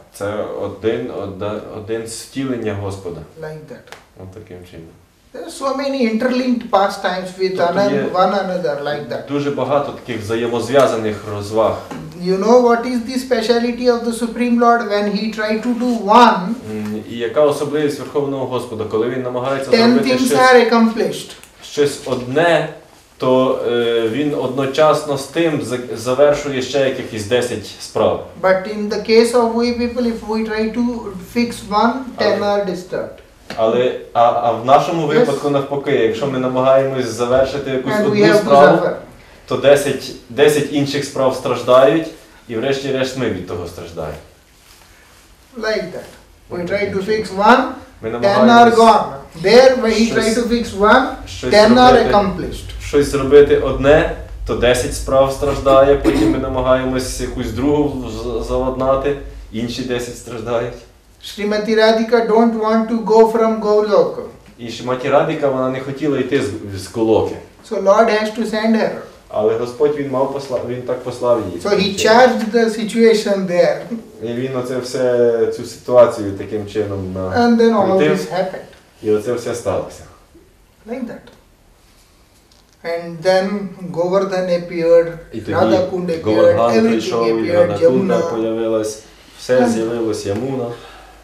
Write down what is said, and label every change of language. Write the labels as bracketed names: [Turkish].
[Ukrainian] Це один з втілення Господа. [English] Like that. [Ukrainian] От таким чином. [English] There are so many interlinked pastimes with one another like that. [Ukrainian] Дуже багато таких взаємозв'язаних розваг. [English] You know what is the speciality of the Supreme Lord when he tried to do one? [Ukrainian] І яка особливість Верховного Господа, коли він намагається зробити щось? [English] Ten things are accomplished. [Ukrainian] Щось одне, то він одночасно з тим завершує ще якихось 10 справ. [English] But in the case of we people, if we try to fix one, 10 are disturbed. [Ukrainian] Але в нашому випадку навпаки, якщо ми намагаємось завершити якусь одну справу, то 10 інших справ страждають, і врешті-решт ми від того страждаємо. [English] Like that. We try to fix one, 10 are gone. There we try to fix one, 10 are accomplished. [Ukrainian] Щось зробити одне, то 10 справ страждає, потім ми намагаємось якусь другу заладнати, інші 10 страждають. [English] Shrimati Radhika don't want to go from Goloka. [Ukrainian] І Shrimati Radhika, вона не хотіла йти з Голоки. [English] So Lord has to send her. [Ukrainian] Але Господь він мав послав, він так послав її. [English] So he charged the situation there. [Ukrainian] І він оце все цю ситуацію таким чином на. [English] And then all this happened. [Ukrainian] І оце все сталося. [English] Like that. And then Govardhan appeared, Radha Kund appeared, everything appeared, [Ukrainian] Govardhan прийшов, Радакунда появилась, все з'явилось, Ямуна.